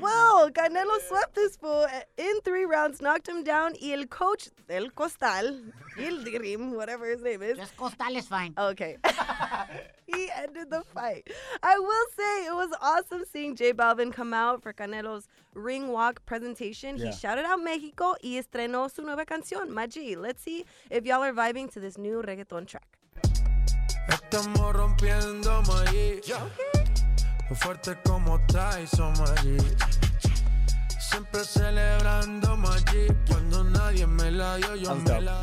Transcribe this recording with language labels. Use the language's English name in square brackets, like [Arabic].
[English] Well, Canelo swept this fool in three rounds, knocked him down, [Spanish] y el coach del Costal, [English] Yildirim, whatever his name is. Just Costal is fine. Okay. He ended the fight. I will say it was awesome seeing J Balvin come out for Canelo's ring walk presentation. Yeah. He shouted out Mexico [Spanish] y estrenó su nueva canción, Maggi. [English] Let's see if y'all are vibing to this new reggaeton track. [Spanish] Estamos rompiendo, Maggi. [English] Okay. [Spanish] Fuerte como Tyson, Maggi. Siempre celebrando, Maggi. Cuando nadie me la dio, yo me la...